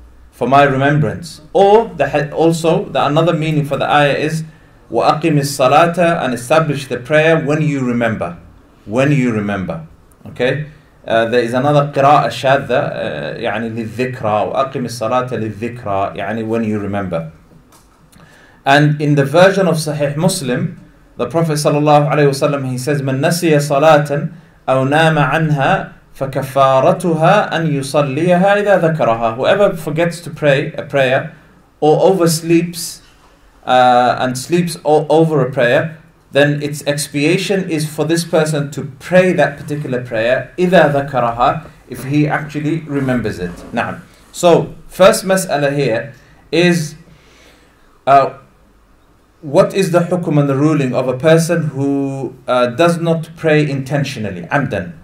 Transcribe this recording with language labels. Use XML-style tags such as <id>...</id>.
<en>For my remembrance. Or also another meaning for the ayah is</en> <ar>وَأَقِمِ الصَّلَاةَ,</ar> <en>and establish the prayer when you remember. When you remember. Okay? There is another qira'a shadha,</en> <ar>يعني للذكرى, وَأَقِمِ الصَّلَاةَ لِلذِكْرَى, يعني</ar> <en>when you remember. And in the version of Sahih Muslim, the Prophet صلى الله عليه وسلم, he says</en> <ar>مَنْ نَسِيَ صَلَاةً أَوْ نَامَ عَنْهَا فَكَفَارَتُهَا أَنْ يُصَلِّيَهَا إِذَا ذَكَرَهَا.</ar> <en>Whoever forgets to pray a prayer or oversleeps and sleeps over a prayer, then its expiation is for this person to pray that particular prayer</en> <ar>إِذَا ذَكَرَهَا,</ar> <en>if he actually remembers it.</en> <ar>نعم.</ar> <en>So, first mas'ala here is what is the hukum and the ruling of a person who does not pray intentionally, amdan?</en>